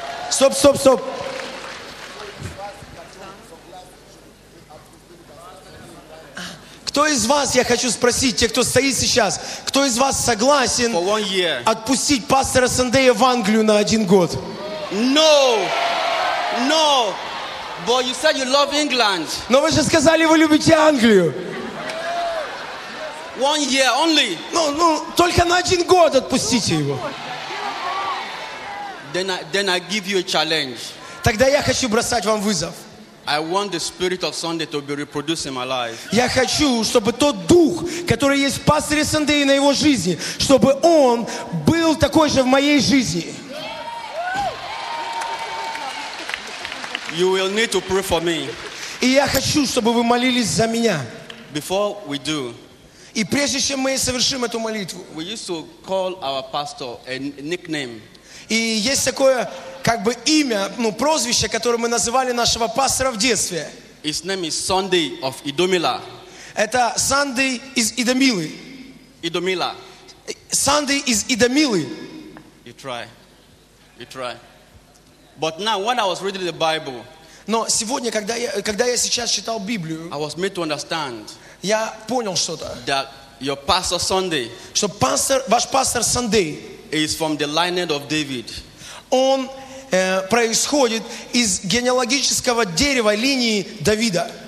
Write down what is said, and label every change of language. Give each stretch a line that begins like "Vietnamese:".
Russian: Стоп, стоп, стоп. Кто из вас, я хочу спросить, те, кто стоит сейчас, кто из вас согласен отпустить пастора Сандея в Англию на один год?
English: No, no, but you said you love England.
Russian: Но вы же сказали, вы любите Англию.
English: One year only.
Russian: Ну, только на один год отпустите его.
English: Then I give you a challenge.
Russian: Тогда я хочу бросать вам вызов.
English: I want the spirit of Sunday to be reproduced in my life.
Russian: Я хочу, чтобы тот дух, который есть в пасторе Сандее на его жизни, чтобы он был такой же в моей жизни.
English: You will need to pray for me.
Russian: И я хочу, чтобы вы молились за меня.
English: Before we do.
Russian: И прежде чем мы совершим эту молитву.
English: We used to call our pastor a nickname.
Russian: И есть такое, как бы имя, ну, прозвище, которое мы называли нашего пастора в детстве.
English: His name is Sunday of Idomila.
Russian: Это Sunday из Идомилы. Идомила. Sunday из Идомилы.
English: You try. You try. But now, when I was reading the Bible,
Russian: но сегодня, когда я сейчас читал Библию,
English: I was made to understand,
Russian: я понял что-то.
English: That your pastor Sunday,
Russian: что пастор, ваш пастор Сандей,
English: is from the lineage of David.
Russian: Он происходит из генеалогического дерева линии Давида.